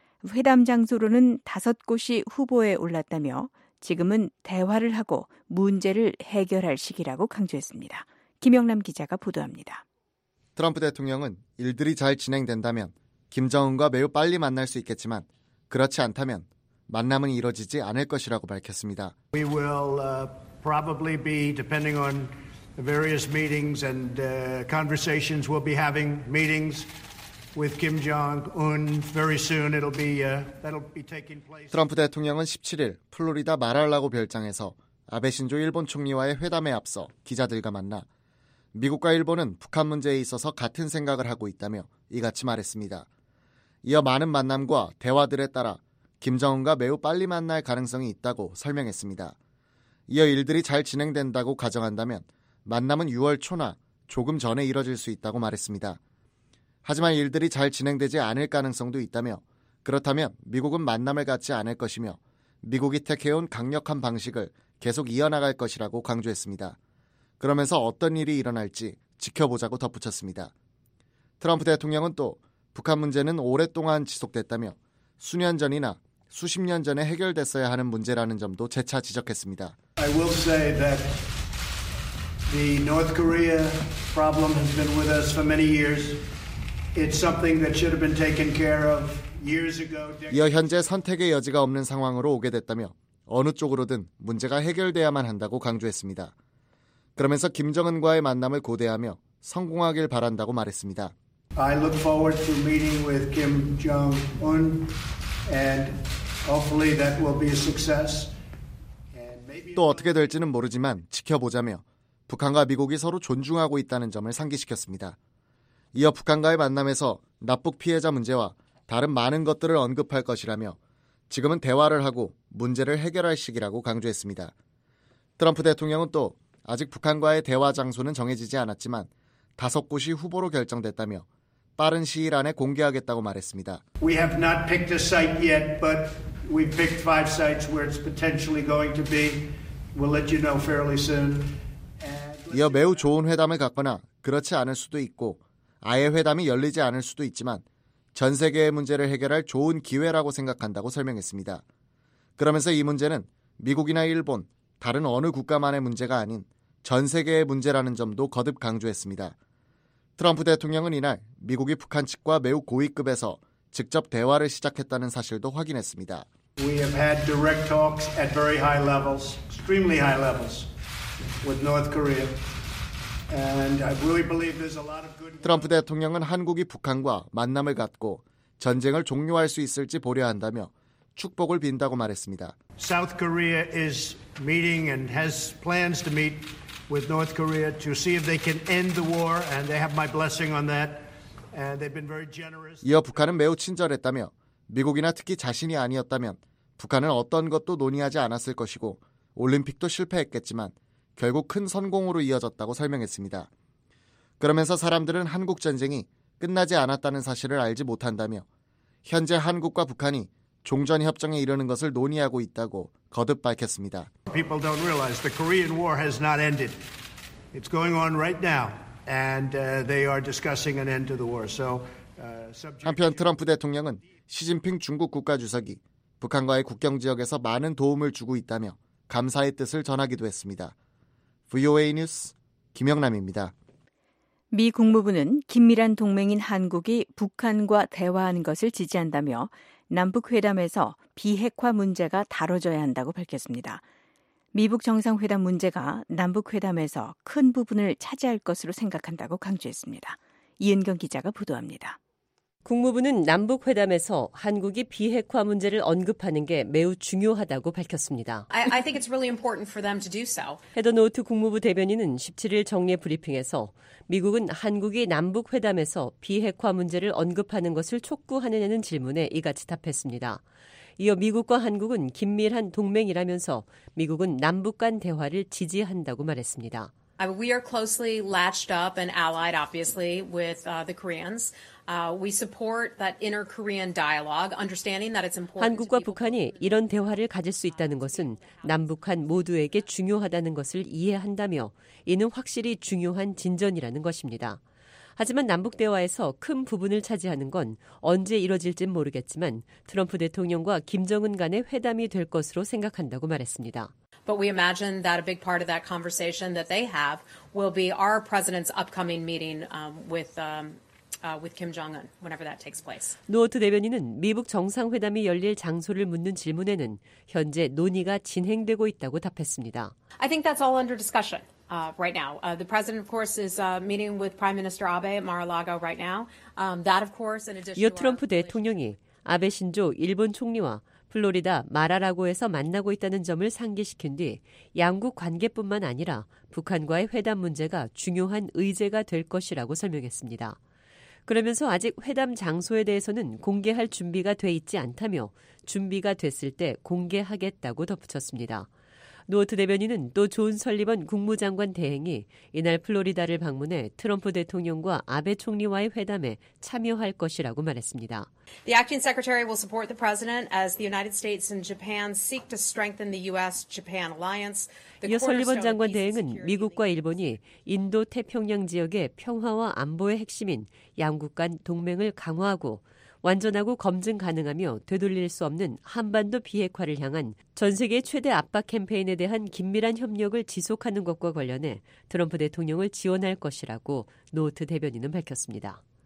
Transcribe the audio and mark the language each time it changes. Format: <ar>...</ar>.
<ko>회담 장소로는 다섯 곳이 후보에 올랐다며 지금은 대화를 하고 문제를 해결할 시기라고 강조했습니다. 김영남 기자가 보도합니다. 트럼프 대통령은 일들이 잘 진행된다면 김정은과 매우 빨리 만날 수 있겠지만 그렇지 않다면 만남은 이루어지지 않을 것이라고 밝혔습니다.</ko> <en>We will probably be depending on various meetings and conversations. We'll be having meetings with Kim Jong-un very soon. That'll be taking place.</en> <ko>트럼프 대통령은 17일 플로리다 마랄라고 별장에서 아베 신조 일본 총리와의 회담에 앞서 기자들과 만나 미국과 일본은 북한 문제에 있어서 같은 생각을 하고 있다며 이같이 말했습니다. 이어 많은 만남과 대화들에 따라 김정은과 매우 빨리 만날 가능성이 있다고 설명했습니다. 이어 일들이 잘 진행된다고 가정한다면 만남은 6월 초나 조금 전에 이뤄질 수 있다고 말했습니다. 하지만 일들이 잘 진행되지 않을 가능성도 있다며 그렇다면 미국은 만남을 갖지 않을 것이며 미국이 택해온 강력한 방식을 계속 이어나갈 것이라고 강조했습니다. 그러면서 어떤 일이 일어날지 지켜보자고 덧붙였습니다. 트럼프 대통령은 또 북한 문제는 오랫동안 지속됐다며 수년 전이나 수십 년 전에 해결됐어야 하는 문제라는 점도 재차 지적했습니다.</ko> <en>I will say that the North Korea problem has been with us for many years. It's something that should have been taken care of years ago.</en> <ko>이어 현재 선택의 여지가 없는 상황으로 오게 됐다며 어느 쪽으로든 문제가 해결돼야만 한다고 강조했습니다. 그러면서 김정은과의 만남을 고대하며 성공하길 바란다고 말했습니다.</ko> <en>I look forward to meeting with Kim Jong-un and hopefully that will be a success.</en> <ko>또 어떻게 될지는 모르지만 지켜보자며 북한과 미국이 서로 존중하고 있다는 점을 상기시켰습니다. 이어 북한과의 만남에서 납북 피해자 문제와 다른 많은 것들을 언급할 것이라며 지금은 대화를 하고 문제를 해결할 시기라고 강조했습니다. 트럼프 대통령은 또 아직 북한과의 대화 장소는 정해지지 않았지만 다섯 곳이 후보로 결정됐다며 빠른 시일 안에 공개하겠다고 말했습니다.</ko> <en>We have not picked a site yet, but We picked five sites where it's potentially going to be. We'll let you know fairly soon.</en> <ko>이어 매우 좋은 회담을 갖거나 그렇지 않을 수도 있고 아예 회담이 열리지 않을 수도 있지만 전 세계의 문제를 해결할 좋은 기회라고 생각한다고 설명했습니다. 그러면서 이 문제는 미국이나 일본, 다른 어느 국가만의 문제가 아닌 전 세계의 문제라는 점도 거듭 강조했습니다. 트럼프 대통령은 이날 미국이 북한 측과 매우 고위급에서 직접 대화를 시작했다는 사실도 확인했습니다.</ko> <en>We have had direct talks at very high levels, extremely high levels. With North Korea. And I really believe there's a lot of good.</en> <ko>트럼프 대통령은 한국이 북한과 만남을 갖고 전쟁을 종료할 수 있을지 보려한다며 축복을 빈다고 말했습니다.</ko> <en>South Korea is meeting and has plans to meet with North Korea to see if they can end the war and they have my blessing on that. And they've been very generous.</en> <ko>이어 북한은 매우 친절했다며 미국이나 특히 자신이 아니었다면 북한은 어떤 것도 논의하지 않았을 것이고 올림픽도 실패했겠지만 결국 큰 성공으로 이어졌다고 설명했습니다. 그러면서 사람들은 한국 전쟁이 끝나지 않았다는 사실을 알지 못한다며 현재 한국과 북한이 종전 협정에 이르는 것을 논의하고 있다고 거듭 밝혔습니다.</ko> <en>People don't realize the Korean War has not ended. It's going on right now and they are discussing an end to the war. So</en> <ko>한편 트럼프 대통령은 시진핑 중국 국가 주석이 북한과의 국경 지역에서 많은 도움을 주고 있다며 감사의 뜻을 전하기도 했습니다. VOA 뉴스 김영남입니다. 미 국무부는 긴밀한 동맹인 한국이 북한과 대화하는 것을 지지한다며 남북회담에서 비핵화 문제가 다뤄져야 한다고 밝혔습니다. 미북 정상회담 문제가 남북회담에서 큰 부분을 차지할 것으로 생각한다고 강조했습니다. 이은경 기자가 보도합니다. 국무부는 남북회담에서 한국이 비핵화 문제를 언급하는 게 매우 중요하다고 밝혔습니다.</ko> <en>I think it's really important for them to do so.</en> <ko>헤더 노트 국무부 대변인은 17일 정례 브리핑에서 미국은 한국이 남북회담에서 비핵화 문제를 언급하는 것을 촉구하느냐는 질문에 이같이 답했습니다. 이어 미국과 한국은 긴밀한 동맹이라면서 미국은 남북 간 대화를 지지한다고 말했습니다.</ko> <en>We are closely latched up and allied, obviously, with the Koreans. We support that inter-Korean dialogue, understanding that it's important.</en> <ko>한국과 북한이 이런 대화를 가질 수 있다는 것은 남북한 모두에게 중요하다는 것을 이해한다며 이는 확실히 중요한 진전이라는 것입니다. 하지만 남북 대화에서 큰 부분을 차지하는 건 언제 이뤄질진 모르겠지만 트럼프 대통령과 김정은 간의 회담이 될 것으로 생각한다고 말했습니다.</ko> <en>But we imagine that a big part of that conversation that they have will be our president's upcoming meeting with Kim Jong-un whenever that takes place.</en> <ko>노어트 대변인은 미북 정상회담이 열릴 장소를 묻는 질문에는 현재 논의가 진행되고 있다고 답했습니다.</ko> <en>I think that's all under discussion. Right now, the president, of course, is meeting with Prime Minister Abe at Mar-a-Lago right now. That, of course, in addition.</en> <ko>이어 트럼프 대통령이 아베 신조 일본 총리와 플로리다 마라라고에서 만나고 있다는 점을 상기시킨 뒤 양국 관계뿐만 아니라 북한과의 회담 문제가 중요한 의제가 될 것이라고 설명했습니다. 그러면서 아직 회담 장소에 대해서는 공개할 준비가 돼 있지 않다며 준비가 됐을 때 공개하겠다고 덧붙였습니다. 노어트 대변인은 또 존 설리번 국무장관 대행이 이날 플로리다를 방문해 트럼프 대통령과 아베 총리와의 회담에 참여할 것이라고 말했습니다.</ko> <en>The acting secretary will support the president as the United States and Japan seek to strengthen the U.S.-Japan alliance.</en> <ko>이어 설리번 장관 대행은 미국과 일본이 인도 태평양 지역의 평화와 안보의 핵심인 양국 간 동맹을 강화하고 완전하고 검증 가능하며 되돌릴 수 없는 한반도 비핵화를 향한 전 세계 최대 압박 캠페인에 대한 긴밀한 협력을 지속하는 것과 관련해 트럼프 대통령을 지원할 것이라고 노트 대변인은 밝혔습니다.</ko>